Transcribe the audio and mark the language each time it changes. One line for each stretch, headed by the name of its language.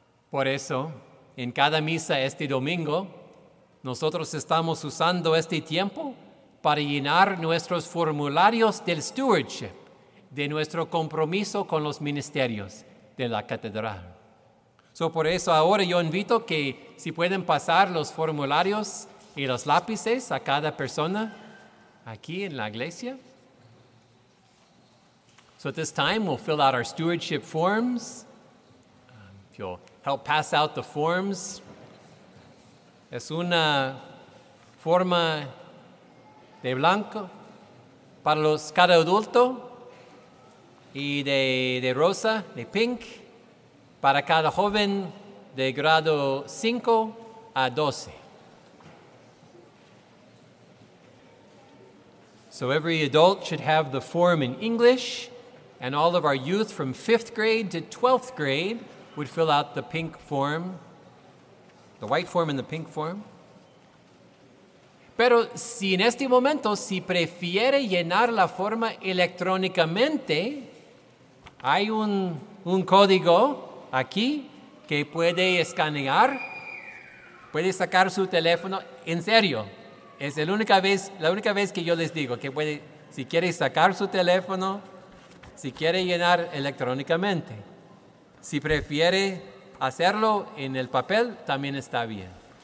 Spanish: Por eso, en cada misa este domingo, nosotros estamos usando este tiempo para llenar nuestros formularios del stewardship, de nuestro compromiso con los ministerios de la catedral. Por eso ahora yo invito que si pueden pasar los formularios y los lápices a cada persona aquí en la iglesia.
English: At this time, we'll fill out our stewardship forms. If you'll help pass out the forms.
Spanish: Es una forma de blanco para los cada adulto y de rosa, de pink, para cada joven de grado 5 a 12.
English: Every adult should have the form in English, and all of our youth from 5th grade to 12th grade would fill out the pink form, the white form and the pink form.
Spanish: Pero si en este momento, si prefiere llenar la forma electrónicamente, hay un código aquí que puede escanear, puede sacar su teléfono. En serio, es la única vez que yo les digo que puede, si quiere sacar su teléfono, si quiere llenar electrónicamente, si prefiere hacerlo en el papel, también está bien.